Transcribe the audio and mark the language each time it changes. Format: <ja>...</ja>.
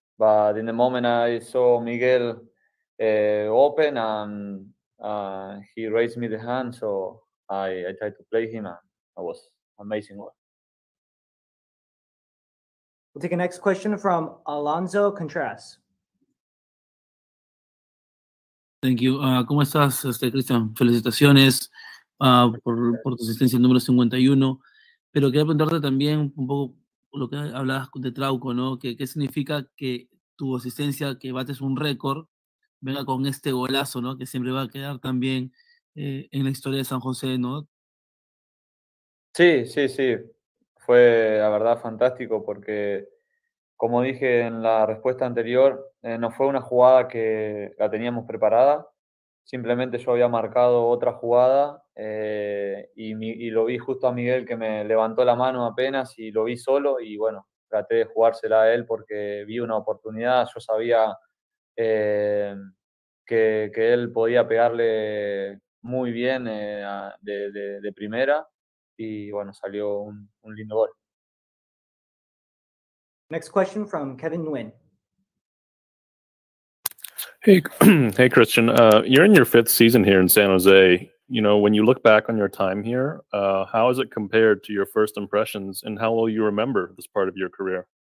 <en>But in the moment I saw Miguel open and he raised me the hand, so I tried to play him. That was amazing. We'll take a next question from Alonzo Contreras. Thank you.</en> <es>¿Cómo estás, Cristian? Felicitaciones por tu asistencia número 51. Pero quería preguntarte también un poco lo que hablabas de Trauco, ¿no? ¿Qué significa que tu asistencia, que bates un récord, venga con este golazo, ¿no? Que siempre va a quedar también en la historia de San José, ¿no? Sí, sí, sí. Fue, la verdad, fantástico porque, como dije en la respuesta anterior, no fue una jugada que la teníamos preparada. Simplemente yo había marcado otra jugada y lo vi justo a Miguel que me levantó la mano apenas y lo vi solo y, bueno, traté de jugársela a él porque vi una oportunidad. Yo sabía que él podía pegarle muy bien de primera. Y bueno, salió un lindo gol.</es> <en>Next question from Kevin Nguyen. Hey, Christian. You're in your fifth season here in San Jose. You know, when you look back on your time here, how is it compared to your first impressions, and how will you remember this part of your career?</en>